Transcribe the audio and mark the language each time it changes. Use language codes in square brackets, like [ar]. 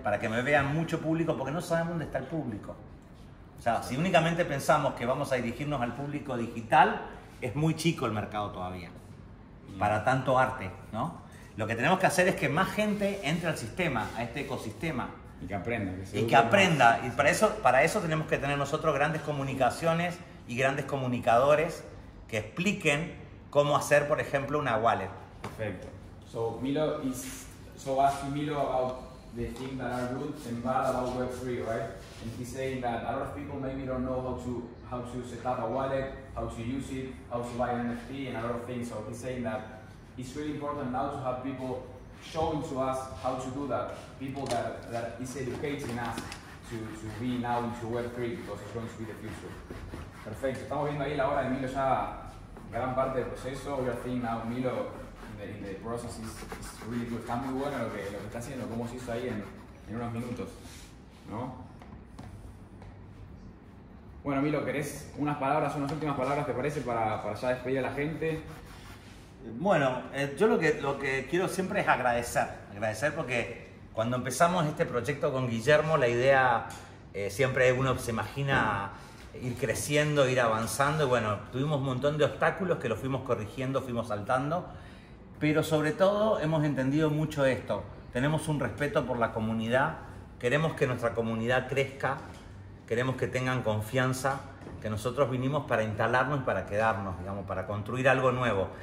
[es] Para que me vean mucho público, porque no sabemos dónde está el público. O sea, si únicamente pensamos que vamos a dirigirnos al público digital, es muy chico el mercado todavía, para tanto arte, ¿no? Lo que tenemos que hacer es que más gente entre al sistema, a este ecosistema, y que aprenda. Y para eso tenemos que tener nosotros grandes comunicaciones y grandes comunicadores que expliquen cómo hacer, por ejemplo, una wallet. Perfecto. [en] So Milo is so asking Milo about the things that are good and bad about Web3, right? And he's saying that a lot of people maybe don't know how to set up a wallet, how to use it, how to buy an NFT and a lot of things. So he's saying that it's really important now to have people showing to us how to do that, people that is educating us to be now into Web3, because it's going to be the future. [es] Perfecto, estamos viendo ahí la hora de Milo ya, gran parte del proceso. [en] We are seeing now Milo in the process is really good. [es] Está muy bueno lo que está haciendo, cómo se hizo ahí en unos minutos, ¿no? Bueno, Milo, ¿querés unas últimas palabras, te parece, para ya despedir a la gente? Bueno, yo lo que quiero siempre es agradecer porque cuando empezamos este proyecto con Guillermo, la idea siempre uno se imagina ir creciendo, ir avanzando, y bueno, tuvimos un montón de obstáculos que los fuimos corrigiendo, fuimos saltando, pero sobre todo hemos entendido mucho esto, tenemos un respeto por la comunidad, queremos que nuestra comunidad crezca, queremos que tengan confianza, que nosotros vinimos para instalarnos y para quedarnos, digamos, para construir algo nuevo.